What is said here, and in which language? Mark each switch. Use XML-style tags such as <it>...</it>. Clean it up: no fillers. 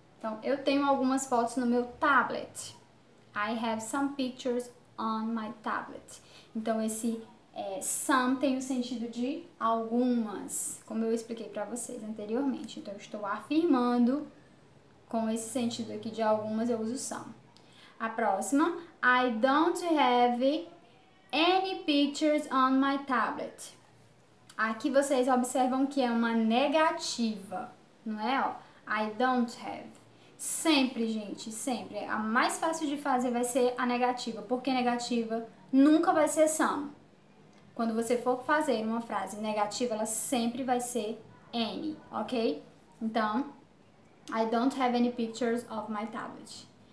<pt>Então, eu tenho algumas fotos no meu tablet.</pt> <en>I have some pictures on my tablet.</en> <pt>Então, esse some tem o sentido de algumas, como eu expliquei para vocês anteriormente. Então, eu estou afirmando com esse sentido aqui de algumas, eu uso some. A próxima,</pt> <en>I don't have any pictures on my tablet.</en> <pt>Aqui vocês observam que é uma negativa, não é?</pt> <en>I don't have.</en> <pt>Sempre, gente, sempre. A mais fácil de fazer vai ser a negativa. Por que negativa? Nunca vai ser some. Quando você for fazer uma frase negativa, ela sempre vai ser any, ok?</pt> <en>Então, I don't have any pictures of my tablet.</en>